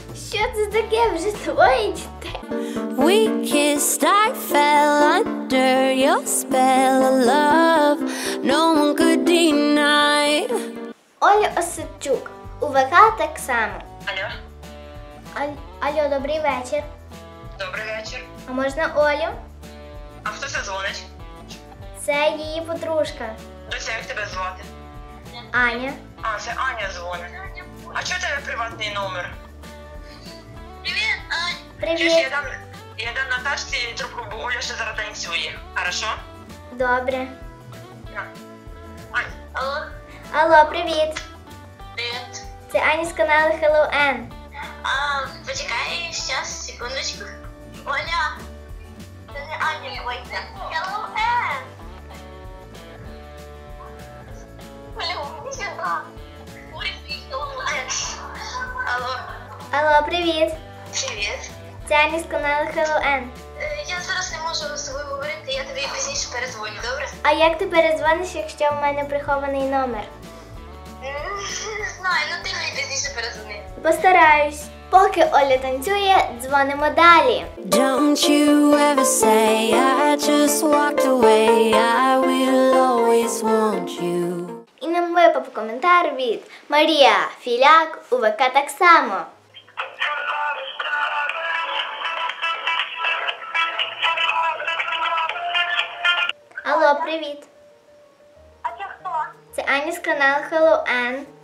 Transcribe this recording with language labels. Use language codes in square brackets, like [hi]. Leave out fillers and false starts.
[uk] Що це таке вже твоє дітей? [en] We kissed, I fell under your spell, love no one could deny. [uk] Оля Осадчук у ВК так само. Алло? Алло, добрий вечір. Добрий вечір. А можна Олю? А хто це дзвонить? Це її подружка. Дося, як тебе звати? Аня. А, це Аня дзвонить. А чого тебе приватний номер? Привіт, Аня. Я дам Наташці трубку, бо Оля ще зараз танцює. [ru] Хорошо? [uk] Добре. Ань. Алло. Алло, привіт. Привіт. Це Аня з каналу Hello Ann. А, почекай, зараз, секундочку. Оля. Це не Аня, бойте. Hello Ann. [ru] Блю, сюда. [uk] Привіт, Hello Ann. Алло. Алло, привіт. Привіт. Це Аня з каналу Hello Ann. Я зараз не можу з собою говорити, я тобі пізніше перезвоню, добре? А як ти перезвониш, якщо в мене прихований номер? Не знаю, ну ти мені пізніше перезвони. Постараюсь. Поки Оля танцює, дзвонимо далі. [en] Don't you ever say I just walked away, I will always want you. [uk] І нам випав коментар від Марія Філяк у ВК так само. Алло, привіт. А це хто? Це Аня з каналу Hello Ann.